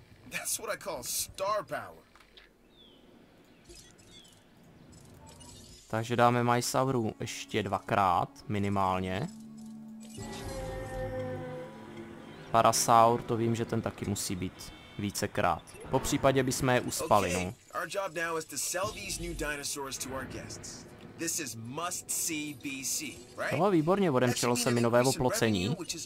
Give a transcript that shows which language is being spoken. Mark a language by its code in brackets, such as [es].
[en] That's what I call star power. [cs] Takže dáme Mysauru ještě dvakrát, minimálně. Parasaur, to vím, že ten taky musí být vícekrát. Po případě bychom je uspali, no. [en] Our job now is to sell these new dinosaurs to our guests. This is must see BC, right? [cs] Tohle výborně, odemčelo se mi nové oplocení.